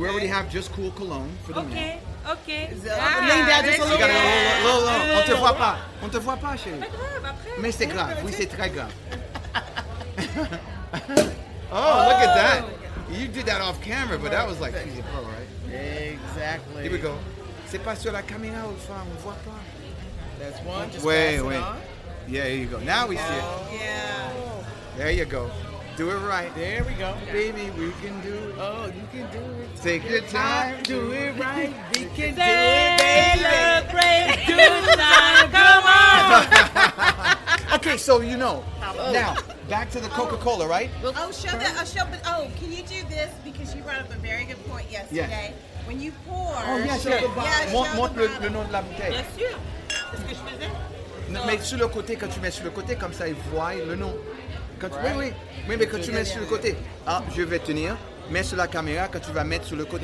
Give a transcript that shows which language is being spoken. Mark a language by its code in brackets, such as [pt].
[en] We already have Just Cool cologne for the men. Okay. Okay. Lean down just a little. Low. [fr] On te voit pas. On te voit pas, chérie. Pas grave. Après. Mais c'est grave. Oui, c'est très grave. [en] Oh, look at that. You did that off camera, but that was like, she's a pro, right? Exactly. Here we go. [fr] C'est pas sur la caméra, on voit pas. [en] That's one. Just wait, pass it on. Yeah, here you go. Now we see it. Yeah. There you go. Do it right. There we go. Baby, we can do it. Oh, you can do it. Take your time. Do it right. We can do it, baby. Look great tonight. Come on. Okay, so you know. Now, back to the Coca-Cola, right? Oh, show that. Oh, show, but, oh, can you do this? Because you brought up a very good point yesterday. Yes. When you pour. Oh, yes, show the bottom. [fr] Montre le nom de la bouteille. Bien sûr. C'est ce que je faisais. Mais sur le côté, quand tu mets sur le côté, comme ça, ils voient le nom. Quand tu, right. Oui, oui. Oui, mais quand tu mets sur le côté. Ah, je vais tenir. Mets sur la caméra quand tu vas mettre sur le côté.